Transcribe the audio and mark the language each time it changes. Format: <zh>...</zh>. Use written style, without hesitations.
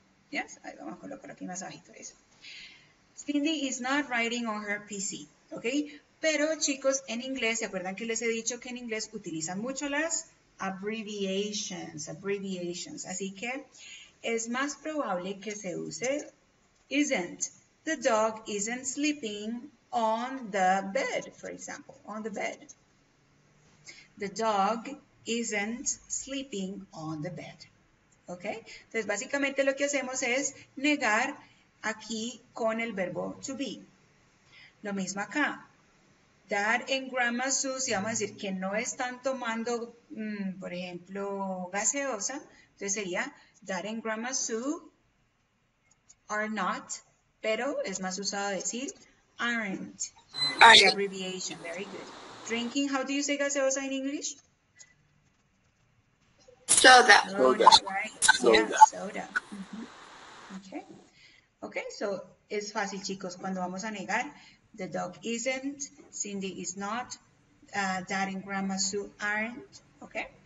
<es>Yes, ahí vamos a colocar aquí más abajito eso.</es> <en>Cindy is not writing on her PC,</en> <es>¿ok? Pero, chicos, en inglés, ¿se acuerdan que les he dicho que en inglés utilizan mucho las abbreviations, así que es más probable que se use isn't.</es> <en>The dog isn't sleeping on the bed, for example, on the bed. The dog isn't sleeping on the bed. ¿Ok?</en> <es>Entonces, básicamente lo que hacemos es negar aquí con el verbo to be. Lo mismo acá. That en grandma Susie, vamos a decir que no están tomando, por ejemplo, gaseosa. Entonces sería,</es> <en>that and grandma Sue are not,</en> <es>pero es más usado decir, aren't.</es> <en>Are the abbreviation, very good. Drinking, how do you say gaseosa in English? Soda. Soda. Soda. Right? Soda. Yeah, soda. Mm-hmm.</en> <es>Okay, so es fácil, chicos, cuando vamos a negar.</es> <en>The dog isn't, Cindy is not, Dad and Grandma Sue aren't, ¿ok?</en>